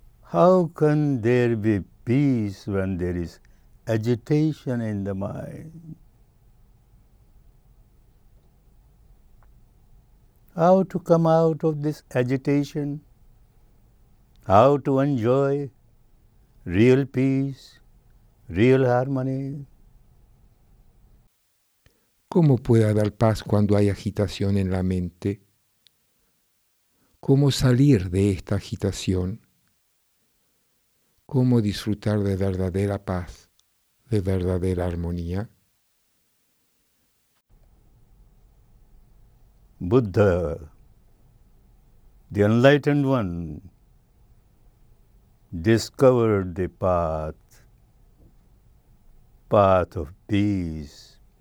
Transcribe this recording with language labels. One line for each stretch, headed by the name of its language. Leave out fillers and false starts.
English: How can there be peace when there is agitation in the mind? How to come out of this agitation? How to enjoy real peace, real harmony?
Spanish: ¿Cómo puede haber paz cuando hay agitación en la mente? ¿Cómo salir de esta agitación? ¿Cómo disfrutar de verdadera paz, de verdadera armonía?
English: Buddha, the enlightened one, discovered the path of peace.